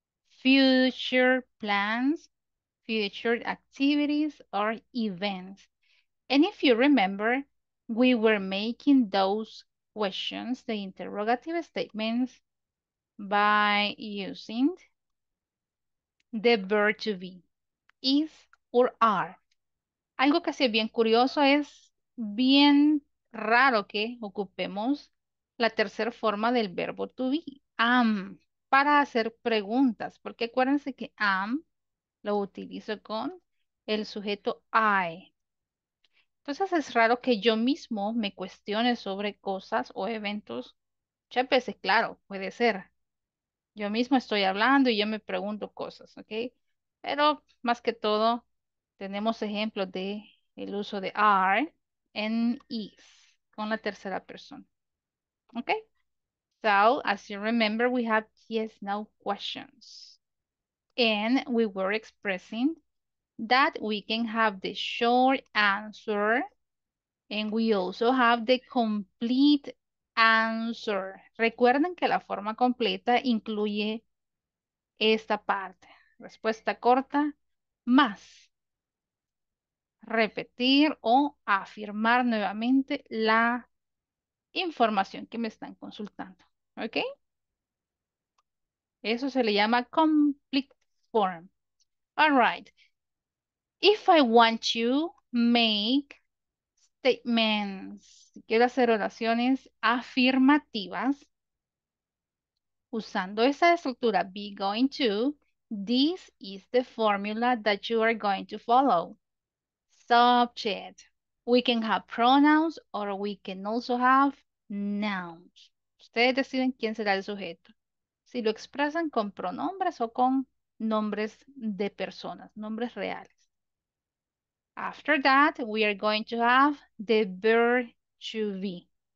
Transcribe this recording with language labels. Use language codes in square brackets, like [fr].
[en] Future plans, future activities or events. And if you remember, we were making those questions, the interrogative statements, by using the verb to be, is or are. [es] Algo que sí es bien curioso es bien raro que ocupemos la tercera forma del verbo to be, am, para hacer preguntas, porque acuérdense que am lo utilizo con el sujeto I. Entonces es raro que yo mismo me cuestione sobre cosas o eventos. Muchas veces, claro, puede ser. Yo mismo estoy hablando y yo me pregunto cosas, ¿ok? Pero más que todo, tenemos ejemplos de el uso de are en is con la tercera persona. ¿Ok? [en] So, as you remember, we have yes, no questions. And we were expressing that we can have the short answer and we also have the complete answer. [es] Recuerden que la forma completa incluye esta parte. Respuesta corta más. Repetir o afirmar nuevamente la información que me están consultando. ¿Ok? Eso se le llama complete form. [en] All right. If I want you, make statements. [es] Si quiero hacer oraciones afirmativas usando esa estructura [en] be going to, this is the formula that you are going to follow. Subject. We can have pronouns or we can also have nouns. [es] Ustedes deciden quién será el sujeto. Si lo expresan con pronombres o con nombres de personas, nombres reales. [en] After that, we are going to have the verb to be.